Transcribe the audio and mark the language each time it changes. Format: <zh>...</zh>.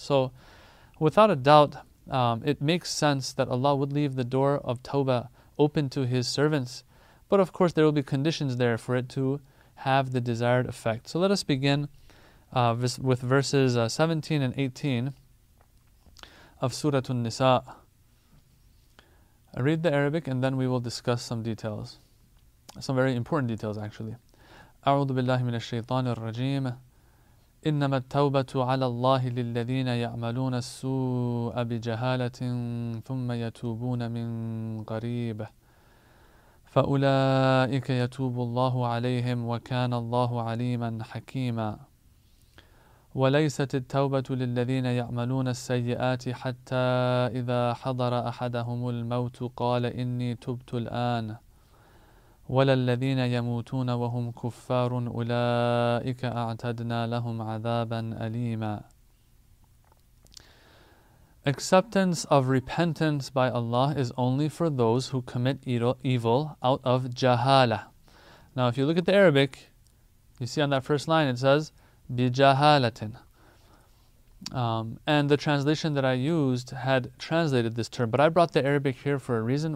<en>So, without a doubt, it makes sense that Allah would leave the door of Tawbah open to His servants, but of course there will be conditions there for it to have the desired effect. So let us begin with verses 17 and 18 of Surah An-Nisa. I read the Arabic and then we will discuss some details. Some very important details actually.</en> <ar>أعوذ بالله من الشيطان الرجيم إنما التوبة على الله للذين يعملون السوء بجهالة ثم يتوبون من قريب فأولئك يتوب الله عليهم وكان الله عليما حكيما وليست التوبة للذين يعملون السيئات حتى إذا حضر أحدهم الموت قال إني تبت الآن ولا الذين يموتون وهم كفار أولئك أعتدنا لهم عذابا أليما.</ar> <en>Acceptance of repentance by Allah is only for those who commit evil out of jahala. Now if you look at the Arabic, you see on that first line it says bijahalatin. And the translation that I used had translated this term, but I brought the Arabic here for a reason.</en>